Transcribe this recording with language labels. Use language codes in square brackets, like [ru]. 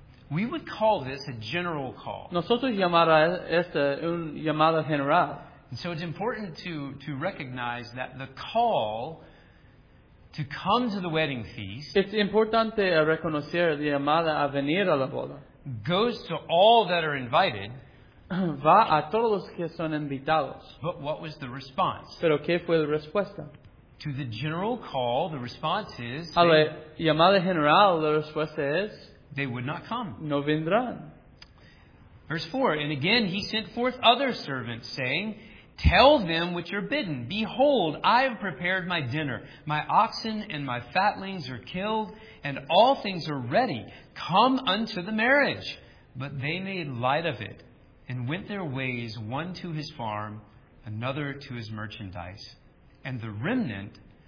[en] We would call this a general call. [es] Nosotros llamara esta un llamada general. [en] And so it's important to recognize that the call to come to the wedding feast. [es] Es importante reconocer la llamada a venir a la boda. [en] Goes to all that are invited. [es] Va a todos los que son invitados. [en] But what was the response? [es] Pero qué fue la respuesta? [en] To the general call, the response is. [es] A la llamada general, la respuesta es. [en] They would not come. [es] No vendrán. [en] Verse 4. And again he sent forth other servants, saying, Tell them which are bidden. Behold, I have prepared my dinner. My oxen and my fatlings are killed, and all things are ready. Come unto the marriage. But they made light of it, and went their ways, one to his farm, another to his merchandise. And the remnant